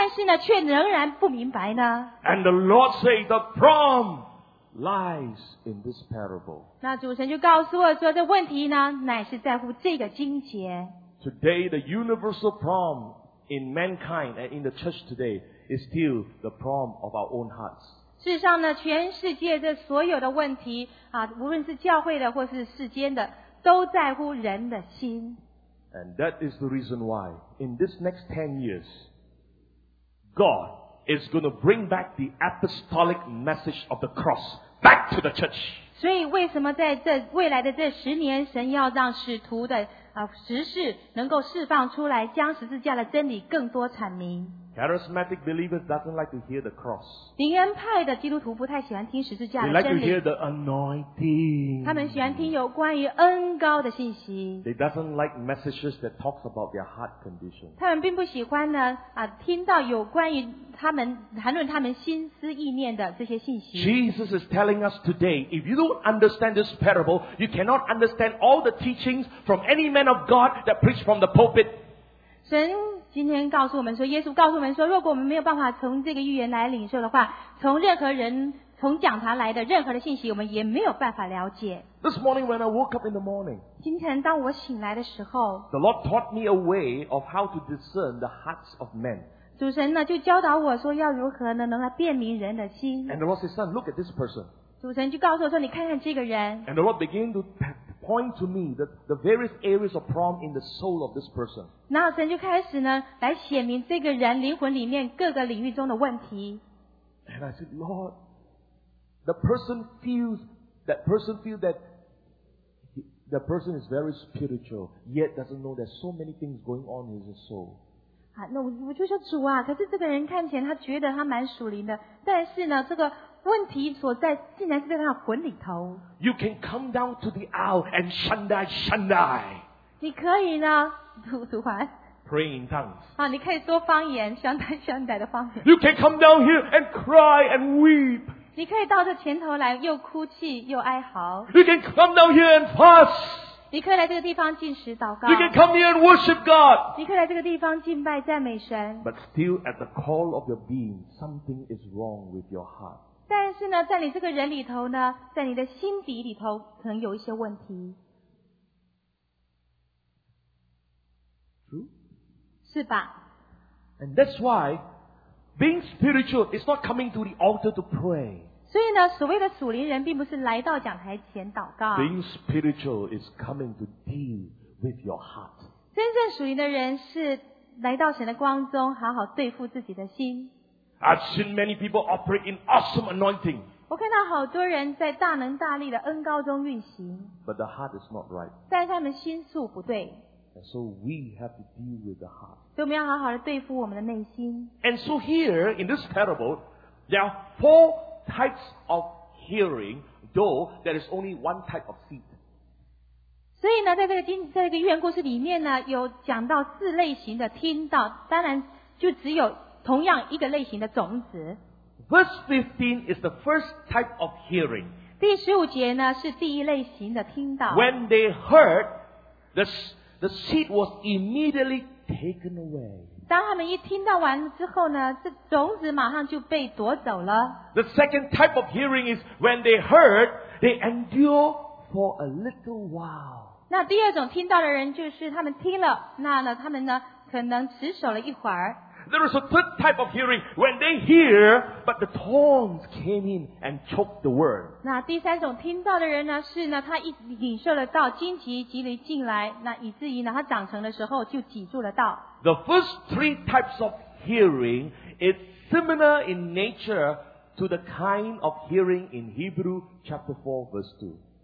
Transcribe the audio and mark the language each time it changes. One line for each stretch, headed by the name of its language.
Chinese: 为什么教会的百姓呢，进到教会里头来，周复一周的参加聚会，周复一周的听道理啊，听信息，但是呢，却仍然不明白呢？
English: And the Lord said the problem lies in this parable.
Chinese: 那主神就告诉我说，这问题呢，乃是在乎这个经节。
English: Today, the universal problem in mankind and in the church today is still the problem of our own hearts.
Chinese: 事实上呢，全世界这所有的问题啊，无论是教会的或是世间的，都在乎人的心。
English: And that is the reason why, in this next 10 years, God is going to bring back the apostolic message of the cross back to the church.
Chinese: 所以为什么在这未来的这十年，神要让使徒的啊执事能够释放出来，将十字架的真理更多阐明。
English: Charismatic believers doesn't like to hear the cross.
Chinese: 灵恩派的基督徒不太喜欢听十字架的真理。
English: They like to hear the anointing.
Chinese: 他们喜欢听有关于恩膏的信息。
English: They doesn't like messages that talks about their heart condition.
Chinese: 他们并不喜欢呢啊听到有关于他们谈论他们心思意念的这些信息。
English: Jesus is telling us today, if you don't understand this parable, you cannot understand all the teachings from any man of God that preached from the pulpit.
Chinese: 神今天告诉我们说，耶稣告诉我们说，如果我们没有办法从这个预言来领受的话，从任何人从讲堂来的任何的信息，我们也没有办法了解。
English: This morning when I woke up in the morning,
Chinese: 今天当我醒来的时候
English: ，The Lord taught me a way of how to discern the hearts of men.
Chinese: 主神呢就教导我说要如何呢能来辨明人的心。
English: And the Lord said, "Son, look at this person."
Chinese: 主神就告诉我说，你看看这个人。
English: And the Lord began to point to me the various areas of problem in the soul of this person.
Chinese: 那神就开始呢来显明这个人灵魂里面各个领域中的问题。
English: And I said, Lord, the person feels that is very spiritual, yet doesn't know there's so many things going on in his soul.
Chinese: 啊，那我就说主啊，可是这个人看起来他觉得他蛮属灵的，但是呢，这个问题所在竟然是在他的魂里头。
English: You can come down to the aisle and shandai shandai.
Chinese: 你可以呢，读完。
English: Praying in tongues.
Chinese: 啊，你可以说方言，shandai shandai的方言。
English: You can come down here and cry and weep.
Chinese: 你可以到这前头来，又哭泣又哀嚎。
English: You can come down here and fast.
Chinese: 你可以来这个地方进食祷告。
English: You can come here and worship God.
Chinese: 你可以来这个地方敬拜赞美神。
English: But still, at the call of your being, something is wrong with your heart.
Chinese: 但是呢，在你这个人里头呢，在你的心底里头，可能有一些问题。
English: True?
Chinese: 是吧？
English: And that's why being spiritual is not coming to the altar to pray.
Chinese: 所以呢，所谓的属灵人并不是来到讲台前祷告。
English: Being spiritual is coming to deal with your heart.
Chinese: 真正属灵的人是来到神的光中，好好对付自己的心。
English: I've seen many people operate in awesome anointing.
Chinese: 我看到好多人在大能大力的恩膏中运行。
English: But the heart is not right.
Chinese: 但他们心术不对。
English: And so we have to deal with the heart.
Chinese: 所以我们要好好的对付我们的内心。
English: And so here, in this parable, there are four types of hearing, though there is only one type of seed.
Chinese: 所以呢，在这个寓言故事里面呢，有讲到四类型的听到，当然就只有同样一个类型的种子。
English: Verse 15 is the first type of hearing.
Chinese: 第十五节呢是第一类型的听到。
English: When they heard, the seed was immediately taken away.
Chinese: 当他们一听到完之后呢，这种子马上就被夺走了。
English: The second type of hearing is when they heard, they endure for a little while.
Chinese: 那第二种听到的人就是他们听了，那呢他们呢可能持守了一会儿。
English: There is a third type of hearing when they hear, but the thorns came in and choked the word.
Chinese: 那第三种听到的人呢，是呢，他一领受了道，荆棘棘藜进来，那以至于呢，他长成的时候就挤住了道。
English: The first three types of hearing is similar in nature to the kind of hearing in Hebrew chapter 4 verse 2.